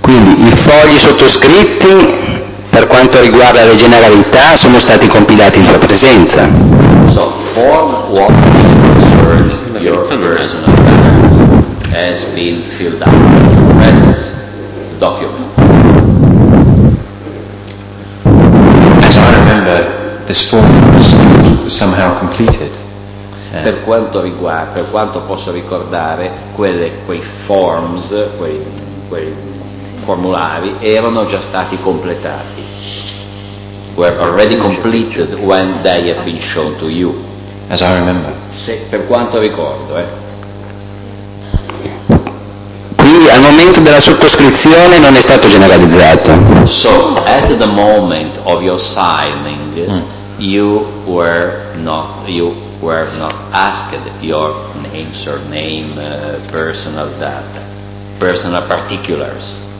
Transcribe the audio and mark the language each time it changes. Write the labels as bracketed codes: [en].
[it] Quindi i fogli sottoscritti, per quanto riguarda le generalità, sono stati compilati in sua presenza. [en] So, for what is concerned your personal data has been filled out in your presence, documents. As I remember, this form was somehow completed. [it] Per quanto posso ricordare, quei formulari erano già stati completati. [en] Were already completed when they had been shown to you. As I remember. [it] Se, per quanto ricordo, Quindi hanno momento della sottoscrizione non è stato generalizzato. [en] So at the moment of your signing you were not asked your name, surname, personal data, personal particulars.